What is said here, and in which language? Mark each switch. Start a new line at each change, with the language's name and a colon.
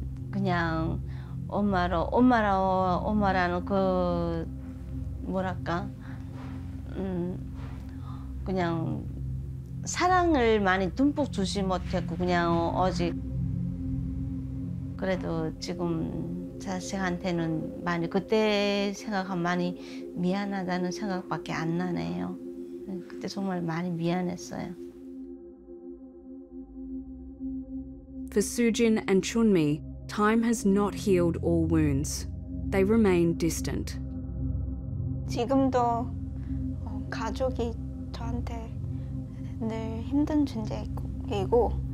Korean: 그냥 엄마라는 그 뭐랄까 그냥 사랑을 많이 듬뿍 주지 못했고 그냥 아직 그래도 지금 자식한테는 많이 그때 생각하면 많이 미안하다는 생각밖에 안 나네요. 그때 정말 많이 미안했어요.
English: For Soo-jin and Chun-mi, time has not healed all wounds. They remain distant.
Korean: 지금도 가족이 저한테 늘 힘든 존재이고